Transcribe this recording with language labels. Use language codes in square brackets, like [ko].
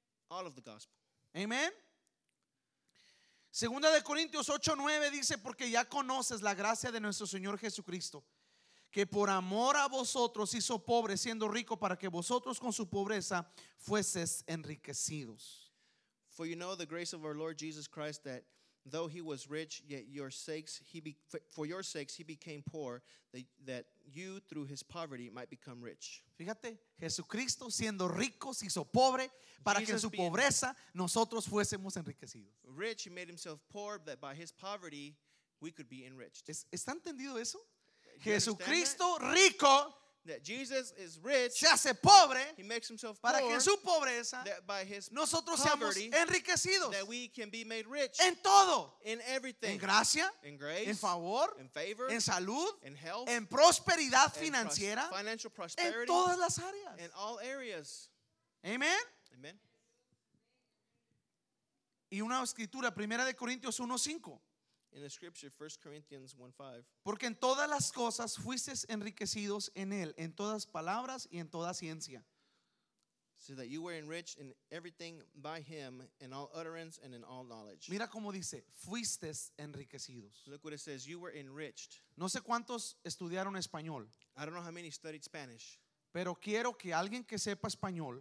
[en] All of the gospel. Amén. [es] Segunda de Corintios 8:9 dice, porque ya conoces la gracia de nuestro Señor Jesucristo, que por amor a vosotros hizo pobre, siendo rico, para que vosotros con su pobreza fueses enriquecidos. [en] For you know the grace of our Lord Jesus Christ, that though he was rich, yet for your sakes he became poor, that you through his poverty might become rich. [es] Fíjate, Jesucristo siendo rico se hizo pobre para [en] Jesus [es] que en su pobreza nosotros fuésemos enriquecidos. [en] Rich, he made himself poor, that by his poverty we could be enriched. [es] ¿Está entendido eso? Jesucristo rico, [en] that Jesus is rich, [es] se hace pobre, [en] he makes himself [es] para [en] poor, [es] que en su pobreza [en] that by his [es] nosotros [en] poverty, [es] seamos enriquecidos, [en] that we can be made rich, [es] en todo, [en] in everything, [es] en gracia, [en] in grace, [es] en favor, [en] in favor, [es] en salud, [en] in health, [es] en prosperidad financiera, [en] financial prosperity, [es] en todas las áreas, [en] in all areas. Amen. Amen. [es] Y una escritura, primera de Corintios 1:5. [en] In the scripture, 1 Corinthians 1:5. [es] Porque en todas las cosas fuisteis enriquecidos en él, en todas palabras y en toda ciencia. [en] so that you were enriched in everything by him, in all utterance and in all knowledge. [es] Mira cómo dice, fuistes enriquecidos. [en] Look what it says, you were enriched. [es] No sé cuántos estudiaron español. [en] I don't know how many studied Spanish. [es] Pero quiero que alguien que sepa español.